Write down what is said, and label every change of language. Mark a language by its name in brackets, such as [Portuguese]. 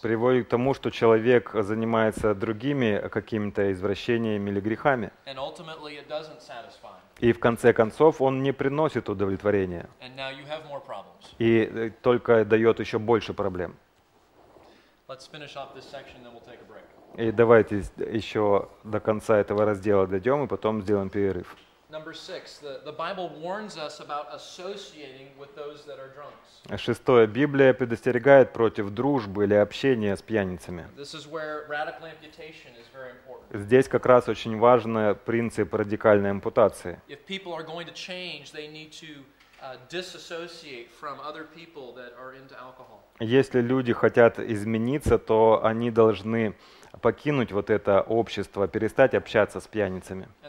[Russian] Приводит к тому, что человек занимается другими какими-то извращениями или грехами. [English] And ultimately it doesn't satisfy. [Russian] И в конце концов он не приносит удовлетворения. [English] And now you have more problems. [Russian] И только дает еще больше проблем. [English] Let's finish off this section, then we'll take a break. [Russian] И давайте еще до конца этого раздела дойдем, и потом сделаем перерыв. [English] Number 6. The Bible warns us about associating with those that are drunks. [Russian] Шестое. Библия предостерегает против дружбы или общения с пьяницами. This is where radical amputation is very important. Здесь как раз очень важен принцип радикальной ампутации. If people are going to change, they need to disassociate from other people that are into alcohol. Если люди хотят измениться, то они должны покинуть вот это общество, перестать общаться с пьяницами.